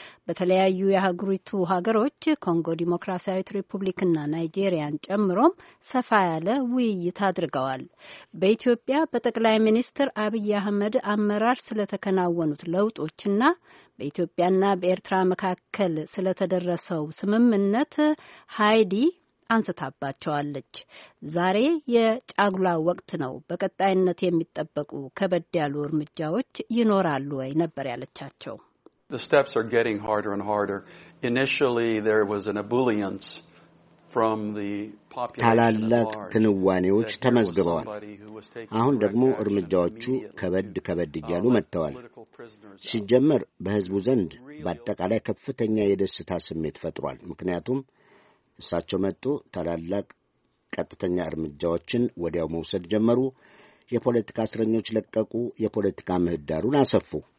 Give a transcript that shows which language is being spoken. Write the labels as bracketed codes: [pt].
[am] በተለያዩ የሀገሪቱ ሀገሮች ኮንጎ ዲሞክራሲያዊት ሪፑብሊክና ናይጄሪያን ጨምሮም ሰፋ ያለ ውይይት አድርገዋል። በኢትዮጵያ በጠቅላይ ሚኒስትር አብይ አህመድ አመራር ስለተከናወኑት ለውጦችና በኢትዮጵያና በኤርትራ መካከል ስለተደረሰው ስምምነት ሃይዲ አንስታባቸዋለች። ዛሬ የጫጉላ ወቅት ነው። በቀጣይነት የሚጠበቁ ከበድ ያሉ እርምጃዎች ይኖራሉ ወይ ነበር ያለቻቸው። [en] The steps are getting harder and harder. Initially there was an ebullience from the population. [am] ታላላቅ ክንዋኔዎች ተመዝግበዋል። አሁን ደግሞ እርምጃዎቹ ከበድ እያሉ መጥተዋል። ሲጀመር በህዝቡ ዘንድ በአጠቃላይ ከፍተኛ የደስታ ስሜት ፈጥሯል። ምክንያቱም እሳቸው መጡ፣ ተላላቅ ቀጥተኛ እርምጃዎችን ወዲያው መውሰድ ጀመሩ፣ የፖለቲካ እስረኞች ለቀቁ፣ የፖለቲካ ምህዳሩን አሰፉ።